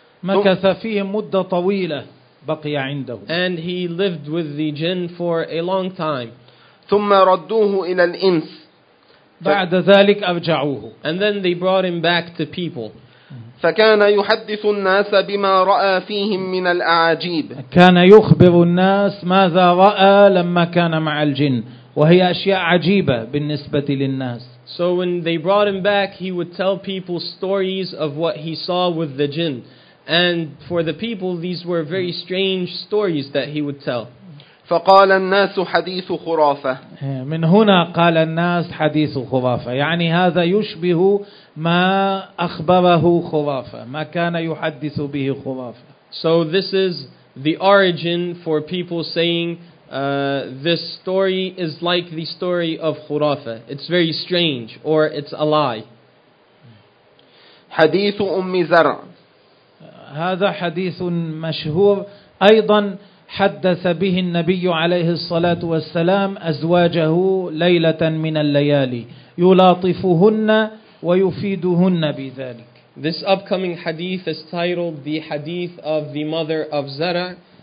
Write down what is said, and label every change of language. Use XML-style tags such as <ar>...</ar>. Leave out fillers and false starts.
<ar>مكث فيهم مدة طويلة بقي عنده.</ar> <en>And he lived with the jinn for a long time.</en> <ar>ثم ردوه إلى الإنس. بعد ذلك أرجعوه.</ar> <en>And then they brought him back to people.</en> <ar>فكان يحدث الناس بما رأى فيهم من الأعاجيب. كان يخبر الناس ماذا رأى لما كان مع الجن. وهي أشياء عجيبة بالنسبة للناس.</ar> <en>So when they brought him back, he would tell people stories of what he saw with the jinn. And for the people, these were very strange stories that he would tell.</en> <ar>فقال الناس حديث خرافة. من هنا قال الناس حديث خرافة. يعني هذا يشبه ما أخبره خرافة. ما كان يحدث به خرافة.</ar> <en>So this is the origin for people saying, this story is like the story of Khurafa. It's very strange, or it's a lie.</en> <ar>حديث أم زرع. هذا حديث مشهور. أيضا حدث به النبي عليه الصلاة والسلام أزواجه ليلة من الليالي. يلاطفهن ويفيدهن بذلك.</ar> <en>This upcoming hadith is titled the Hadith of the Mother of Zarع.</en>